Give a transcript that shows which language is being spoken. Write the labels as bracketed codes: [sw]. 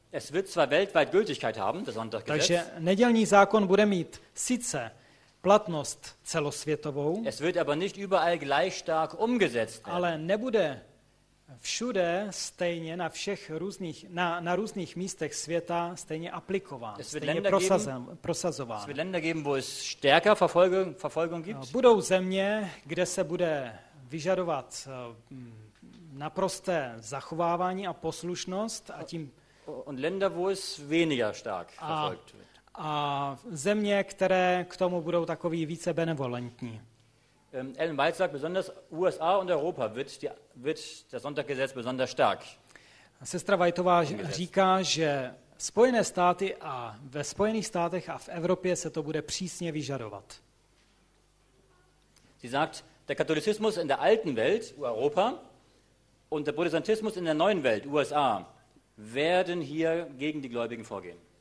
[de] Es wird zwar weltweit Gültigkeit haben, das Sonntaggesetz. [cs] Takže nedělní zákon bude mít sice platnost celosvětovou, [de] es wird aber nicht überall gleich stark umgesetzt werden. [cs] Ale nebude všude stejně na všech různých na různých místech světa stejně aplikován, stejně prosazován. [de] Es wird Länder geben, wo es stärker Verfolgung gibt. [cs] Budou země, kde se bude vyžadovat naprosté zachovávání a poslušnost a tím [de] und Länder, wo es weniger stark verfolgt wird. [cs] A země, které k tomu budou takový více benevolentní. [de] Ellen White sagt, besonders USA und Europa wird das Sonntaggesetz besonders stark. [cs] Sestra Whiteová říká, že Spojené státy a ve Spojených státech a v Evropě se to bude přísně vyžadovat. [de] Sie sagt, der Katholizismus in der alten Welt, Europa, und der Protestantismus in der neuen Welt, USA, werden hier gegen die Gläubigen vorgehen.